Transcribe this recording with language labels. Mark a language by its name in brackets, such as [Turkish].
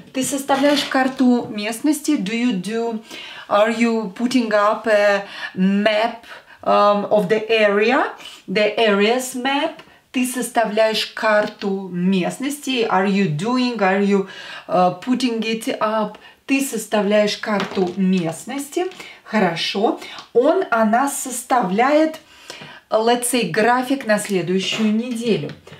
[Russian] Ты составляешь карту местности? [English] Do you do... Are you putting up a map of the area? The area's map? [Russian] Ты составляешь карту местности? [English] Are you doing? Are you putting it up? [Russian] Ты составляешь карту местности? Хорошо. Он, она составляет, [English] let's say, [Russian] график на следующую неделю.